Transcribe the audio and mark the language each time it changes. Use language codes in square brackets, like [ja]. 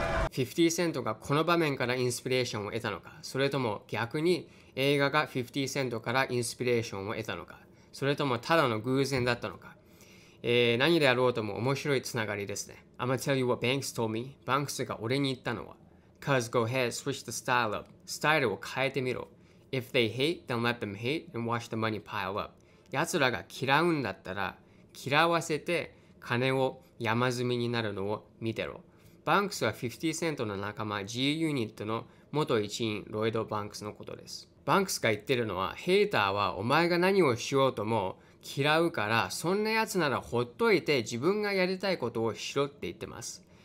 [ja] 50セントがこの場面からインスピレーションを得たのか、それとも逆に映画が50セントからインスピレーションを得たのか、それともただの偶然だったのか、何であろうとも面白いつながりですね。 [en] I'ma tell you what Banks told me. [ja] バンクスが俺に言ったのは、 [en] Cause go ahead, switch the style up. [ja] スタイルを変えてみろ。 [en] If they hate, then let them hate and watch the money pile up. [ja] 奴らが嫌うんだったら嫌わせて金を山積みになるのを見てろ。バンクスは50セントの仲間 G ユニットの元一員ロイド・バンクスのことです。バンクスが言ってるのは、ヘイターはお前が何をしようとも嫌うから、そんなやつならほっといて自分がやりたいことをしろって言ってます。